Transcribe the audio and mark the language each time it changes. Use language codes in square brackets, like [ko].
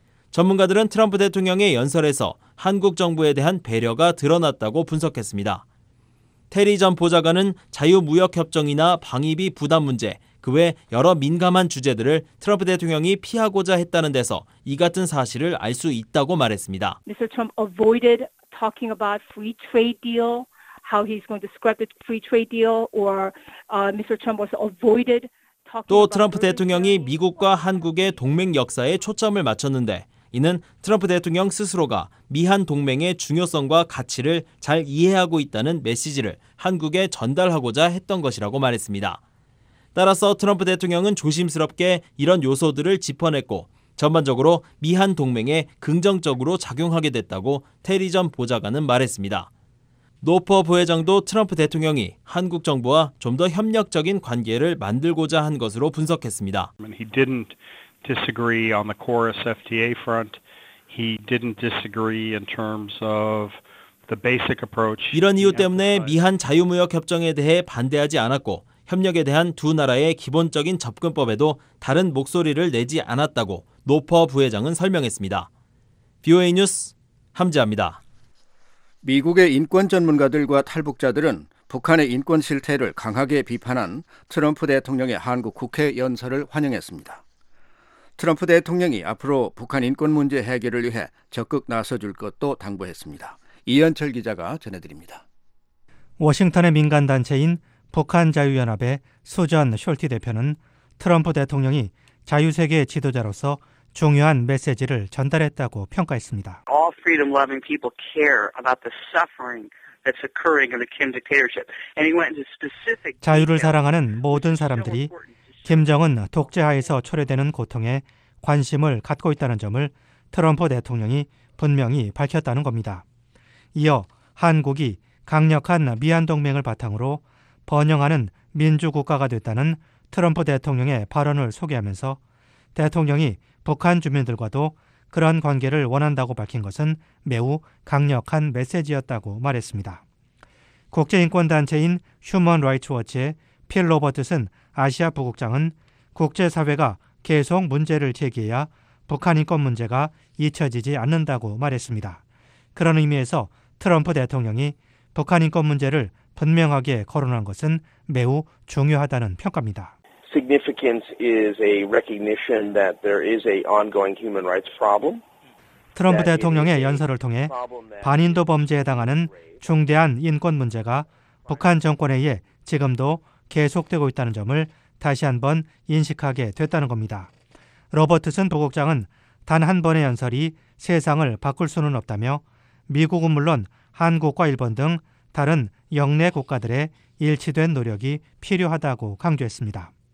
[ko] 전문가들은 트럼프 대통령의 연설에서 한국 정부에 대한 배려가 드러났다고 분석했습니다. 테리 전 보좌관은 자유무역협정이나 방위비 부담 문제, 그 외 여러 민감한 주제들을 트럼프 대통령이 피하고자 했다는 데서 이 같은 사실을 알 수 있다고 말했습니다. [en] Mr. Trump avoided talking about free trade deal, how he's going to scrap the free trade deal, or Mr. Trump was avoided talking. [ko] 또 트럼프 대통령이 미국과 한국의 동맹 역사에 초점을 맞췄는데 이는 트럼프 대통령 스스로가 미한 동맹의 중요성과 가치를 잘 이해하고 있다는 메시지를 한국에 전달하고자 했던 것이라고 말했습니다. 따라서 트럼프 대통령은 조심스럽게 이런 요소들을 짚어냈고 전반적으로 미한 동맹에 긍정적으로 작용하게 됐다고 테리 전 보좌관은 말했습니다. 노퍼 부회장도 트럼프 대통령이 한국 정부와 좀 더 협력적인 관계를 만들고자 한 것으로 분석했습니다. [en] He didn't disagree on the chorus FTA front. He didn't disagree in terms of the basic approach. [ko] 이런 이유 때문에 미한 자유무역협정에 대해 반대하지 않았고 협력에 대한 두 나라의 기본적인 접근법에도 다른 목소리를 내지 않았다고 노퍼 부회장은 설명했습니다. VOA 뉴스 함지아입니다. 미국의 인권 전문가들과 탈북자들은 북한의 인권 실태를 강하게 비판한 트럼프 대통령의 한국 국회 연설을 환영했습니다. 트럼프 대통령이 앞으로 북한 인권 문제 해결을 위해 적극 나서줄 것도 당부했습니다. 이현철 기자가 전해드립니다. 워싱턴의 민간단체인 북한자유연합의 수전 숄티 대표는 트럼프 대통령이 자유세계의 지도자로서 중요한 메시지를 전달했다고 평가했습니다. [en] All freedom-loving people care about the suffering that's occurring in the Kim dictatorship. And he went into specific. [ko] 자유를 사랑하는 모든 사람들이 김정은 독재하에서 초래되는 고통에 관심을 갖고 있다는 점을 트럼프 대통령이 분명히 밝혔다는 겁니다. 이어 한국이 강력한 미한 동맹을 바탕으로 번영하는 민주국가가 됐다는 트럼프 대통령의 발언을 소개하면서 대통령이 북한 주민들과도 그런 관계를 원한다고 밝힌 것은 매우 강력한 메시지였다고 말했습니다. 국제인권단체인 휴먼 라이츠 워치의 필 로버트슨 아시아 부국장은 국제사회가 계속 문제를 제기해야 북한 인권 문제가 잊혀지지 않는다고 말했습니다. 그런 의미에서 트럼프 대통령이 북한 인권 문제를 분명하게 거론한 것은 매우 중요하다는 평가입니다. [en] Significance is a recognition that there is a ongoing human rights problem. [ko] 트럼프 대통령의 연설을 통해 반인도 범죄에 해당하는 중대한 인권 문제가 북한 정권에 의해 지금도 계속되고 있다는 점을 다시 한번 인식하게 됐다는 겁니다. 로버트슨 부국장은 단 한 번의 연설이 세상을 바꿀 수는 없다며 미국은 물론 한국과 일본 등 다른 역내 국가들의 일치된 노력이 필요하다고 강조했습니다.